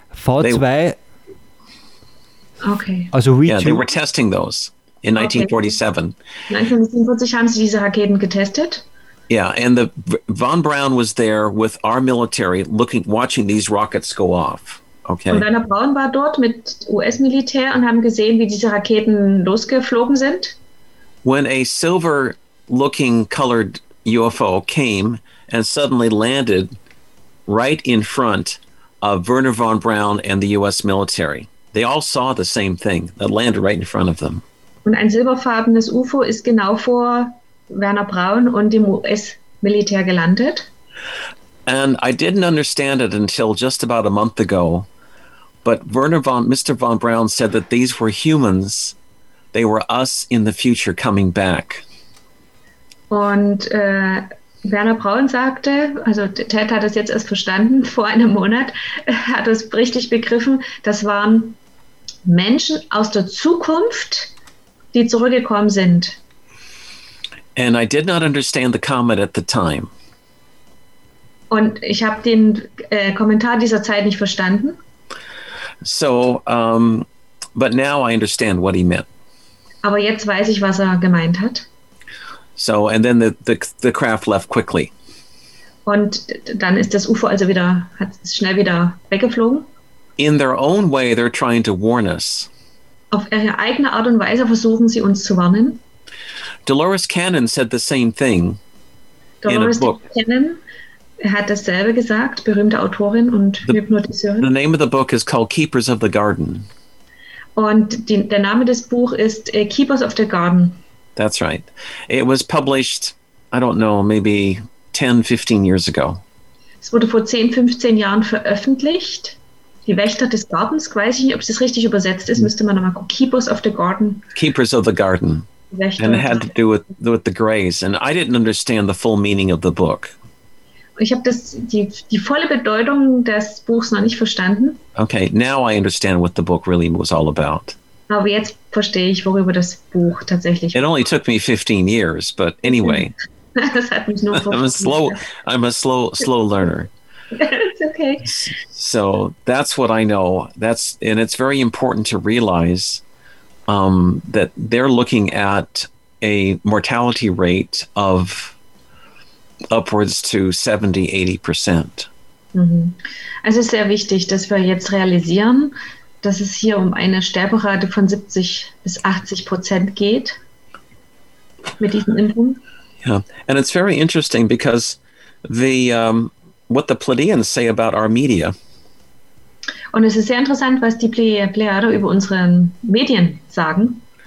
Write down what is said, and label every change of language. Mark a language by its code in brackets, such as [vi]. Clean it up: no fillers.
[en] V2... Okay. [de] Also V2. [en] Yeah, they were testing those in 1947. [de] 1947 haben sie diese Raketen getestet. [en] Yeah, and the von Braun was there with our military watching these rockets go off. Okay. [de] Und Werner Braun war dort mit US-Militär und haben gesehen, wie diese Raketen losgeflogen sind. [en] When a silver-looking colored UFO came and suddenly landed right in front of Wernher von Braun and the US military. They all saw the same thing. It landed right in front of them. [de] Und ein silberfarbenes UFO ist genau vor Wernher Braun und dem US Militär gelandet. [en] And I didn't understand it until just about a month ago, but Mr. von Braun said that these were humans. They were us in the future coming back. [de] Und Werner Braun sagte, also Ted hat es jetzt erst verstanden, vor einem Monat hat es richtig begriffen, das waren Menschen aus der Zukunft, die zurückgekommen sind. [en] And I did not understand the comment at the time. [de] Und ich habe den Kommentar dieser Zeit nicht verstanden. [en] So, but now I understand what he meant. [de] Aber jetzt weiß ich, was er gemeint hat. [en] So, and then the craft left quickly. [de] Und dann ist das UFO also wieder, hat es schnell wieder weggeflogen. [en] In their own way, they're trying to warn us. [de] Auf ihre eigene Art und Weise versuchen sie uns zu warnen. [en] Dolores Cannon said the same thing Dolores in a book. [de] Dolores Cannon hat dasselbe gesagt, berühmte Autorin und Hypnotiseurin. [en] The name of the book is called Keepers of the Garden. [de] Und der Name des Buch ist Keepers of the Garden. [en] That's right. It was published, I don't know, maybe 10, 15 years ago. [de] Es wurde vor 10, 15 Jahren veröffentlicht. Die Wächter des Gartens, weiß ich nicht, ob es richtig übersetzt ist, müsste man nochmal gucken. [en] Keepers of the Garden. Keepers of the Garden. [de] Wächter. [en] And it had to do with the Greys. And I didn't understand the full meaning of the book. [de] Ich habe die volle Bedeutung des Buchs noch nicht verstanden. [en] Okay, now I understand what the book really was all about. [de] Aber jetzt verstehe ich, worüber das Buch tatsächlich. [en] It only took me 15 years, but anyway. [de] Das hat mich nur [en] I'm a slow learner. It's okay. So that's what I know. That's, and it's very important to realize that they're looking at a mortality rate of upwards to 70-80%. Mhm. [de] Also sehr wichtig, dass wir jetzt realisieren, dass es hier um eine Sterberate von 70-80% geht mit diesen Impfungen. [en] Yeah, and it's very interesting because the what the Pleiadians say about our media. [de] Und es ist sehr interessant, was die Pleiade über unsere Medien sagen.